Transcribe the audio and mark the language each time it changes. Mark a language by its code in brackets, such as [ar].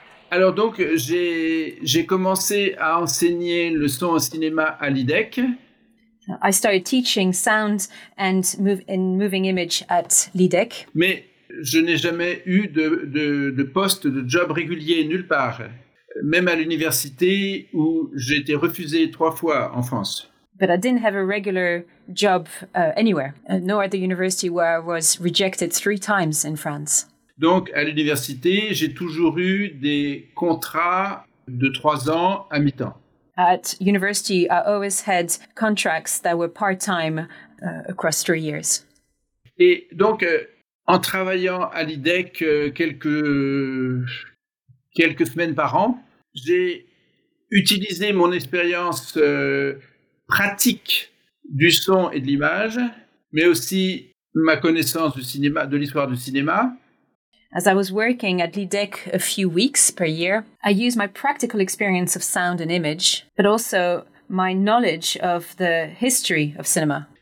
[fr] Alors donc, j'ai commencé à enseigner le son au cinéma à l'IDEC. [en] I started teaching sound and moving image at l'IDEC. [fr] Mais je n'ai jamais eu de poste, de job régulier nulle part, même à l'université où j'ai été refusé trois fois en France. [en] But I didn't have a regular job anywhere, nor at the university where I was rejected three times in France. [fr] Donc, à l'université, j'ai toujours eu des contrats de 3 ans à mi-temps. [en] At university, I always had contracts that were part-time across 3 years. [fr] Et donc, en travaillant à l'IDEC quelques semaines par an, j'ai utilisé mon expérience pratique du son et de l'image, mais aussi ma connaissance du cinéma, de l'histoire du cinéma. [en] As I was working at l'IDEC a few weeks per year, I used my practical experience of sound and image, but also my knowledge of the history of cinema.